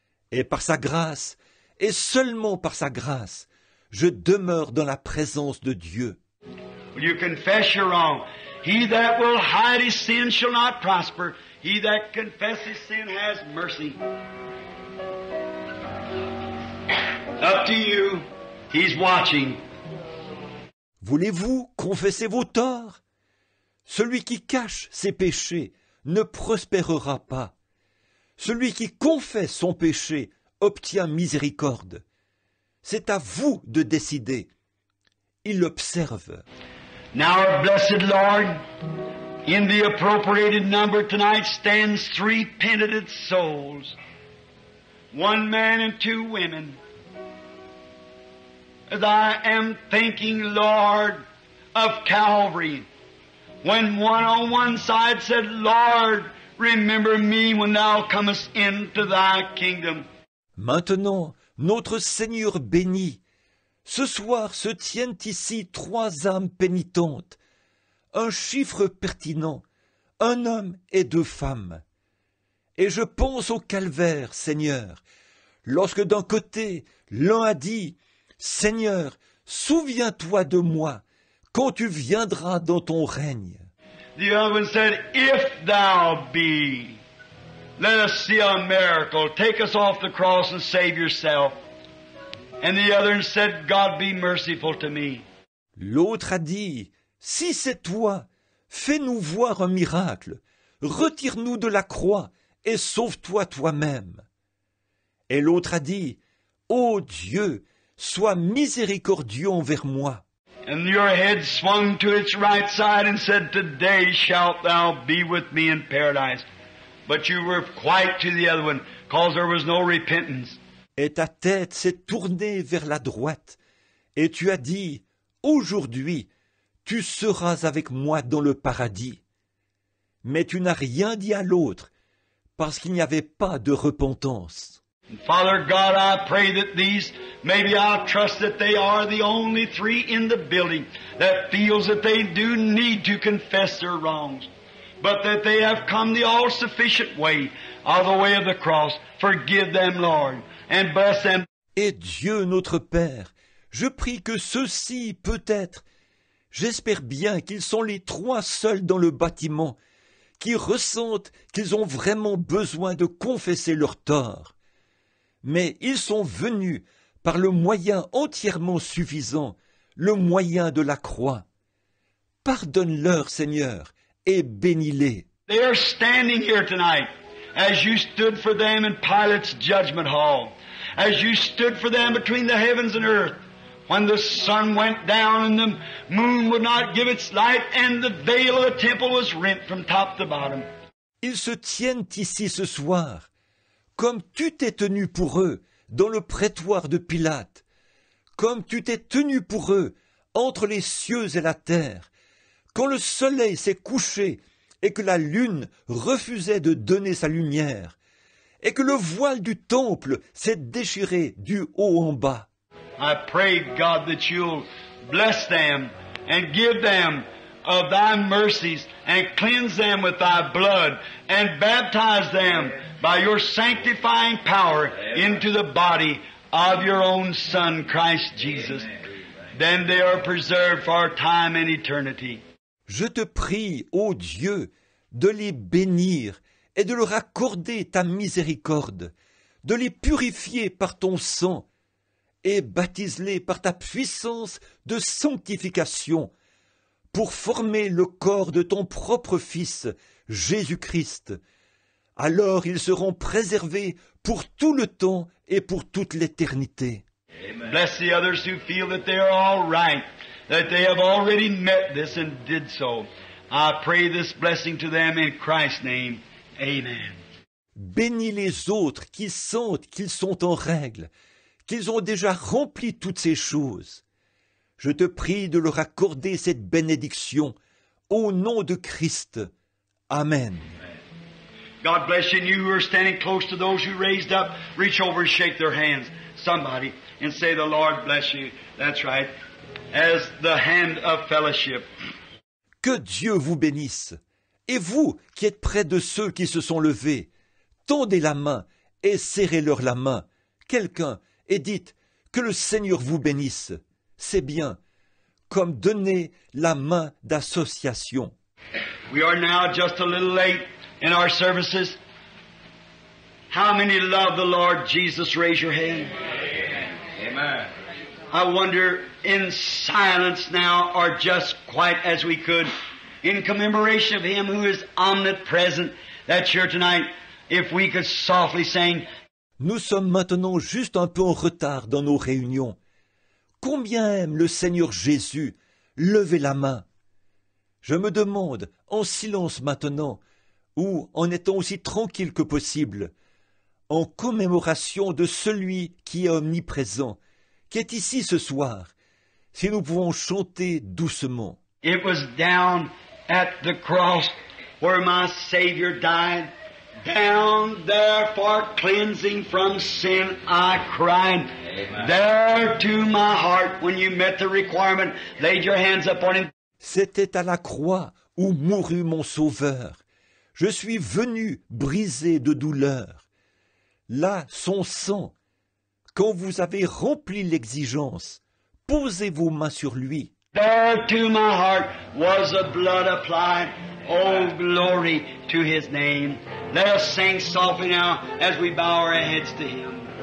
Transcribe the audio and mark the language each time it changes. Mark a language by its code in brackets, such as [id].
[fr] Et par sa grâce, et seulement par sa grâce, je demeure dans la présence de Dieu. [en] Will you confess your wrong? He that will hide his sin shall not prosper. He that confesses sin has mercy. Up to you. He's watching. [fr] Voulez-vous confesser vos torts? Celui qui cache ses péchés ne prospérera pas. Celui qui confesse son péché obtient miséricorde. C'est à vous de décider. Il observe. [en] Now, our blessed Lord, in the appropriated number tonight stands three penitent souls, one man and two women. As I am thinking, Lord, of Calvary, when one on one side said, Lord, remember me when thou comest into thy kingdom. [fr] Maintenant, notre Seigneur béni, ce soir se tiennent ici trois âmes pénitentes, un chiffre pertinent, un homme et deux femmes. Et je pense au calvaire, Seigneur, lorsque d'un côté, l'un a dit, « Seigneur, souviens-toi de moi quand tu viendras dans ton règne. » [en] The other one said, « If thou be, let us see a miracle. Take us off the cross and save yourself. » And the other said, God be merciful to me. [fr] L'autre a dit, si c'est toi, fais-nous voir un miracle. Retire-nous de la croix et sauve-toi toi-même. Et l'autre a dit, ô Dieu, sois miséricordieux envers moi. [en] And your head swung to its right side and said, today shalt thou be with me in paradise. But you were quiet to the other one, cause there was no repentance. [fr] Et ta tête s'est tournée vers la droite, et tu as dit, « Aujourd'hui, tu seras avec moi dans le paradis. » Mais tu n'as rien dit à l'autre, parce qu'il n'y avait pas de repentance. [en] Father God, I pray that these, maybe I trust that they are the only three in the building that feels that they do need to confess their wrongs, but that they have come the all-sufficient way, of the way of the cross. Forgive them, Lord. And bless them. [fr] Et Dieu notre Père, je prie que ceux-ci, peut-être, j'espère bien qu'ils sont les trois seuls dans le bâtiment, qui ressentent qu'ils ont vraiment besoin de confesser leurs torts. Mais ils sont venus par le moyen entièrement suffisant, le moyen de la croix. Pardonne-leur, Seigneur, et bénis-les. [en] They are standing here tonight. As you stood for them in Pilate's judgment hall, as you stood for them between the heavens and earth, when the sun went down and the moon would not give its light and the veil of the temple was rent from top to bottom. [fr] Ils se tiennent ici ce soir, comme tu t'es tenu pour eux dans le prétoire de Pilate, comme tu t'es tenu pour eux entre les cieux et la terre, quand le soleil s'est couché et que la lune refusait de donner sa lumière, et que le voile du temple s'est déchiré du haut en bas. [en] I pray, God, that you'll bless them and give them of thy mercies and cleanse them with thy blood and baptize them by your sanctifying power into the body of your own Son, Christ Jesus. Then they are preserved for our time and eternity. [fr] Je te prie, ô Dieu, de les bénir et de leur accorder ta miséricorde, de les purifier par ton sang et baptise-les par ta puissance de sanctification pour former le corps de ton propre Fils, Jésus-Christ. Alors ils seront préservés pour tout le temps et pour toute l'éternité. Amen. [en] Bless the others who feel that they are all right, that they have already met this and did so. I pray this blessing to them in Christ's name. Amen. [fr] Bénis les autres qui sentent qu'ils sont en règle, qu'ils ont déjà rempli toutes ces choses. Je te prie de leur accorder cette bénédiction au nom de Christ. Amen. [en] God bless you, and you who are standing close to those who raised up, reach over and shake their hands, somebody, and say, the Lord bless you. That's right. As the hand of fellowship. [fr] Que Dieu vous bénisse. Et vous, qui êtes près de ceux qui se sont levés, tendez la main et serrez-leur la main. Quelqu'un, et dites, que le Seigneur vous bénisse. C'est bien, comme donner la main d'association. [en] We are now just a little late in our services. How many love the Lord Jesus? Raise your hand. Amen. Amen. I wonder, in silence now, or just quiet as we could, in commemoration of Him who is omnipresent, that's here tonight, if we could softly sing. [fr] Nous sommes maintenant juste un peu en retard dans nos réunions. Combien aime le Seigneur Jésus? Levez la main. Je me demande, en silence maintenant, ou en étant aussi tranquille que possible, en commémoration de celui qui est omniprésent, qui est ici ce soir, si nous pouvons chanter doucement. [en] It was down at the cross where my Savior died. Down there for cleansing from sin I cried. Amen. There to my heart when you met the requirement, laid your hands upon him. [fr] C'était à la croix où mourut mon Sauveur. Je suis venu brisé de douleur. Là, son sang, quand vous avez rempli l'exigence, posez vos mains sur lui. [en] There to my heart was the blood applied. Oh, glory to his name. Let us sing softly now as we bow our heads to him.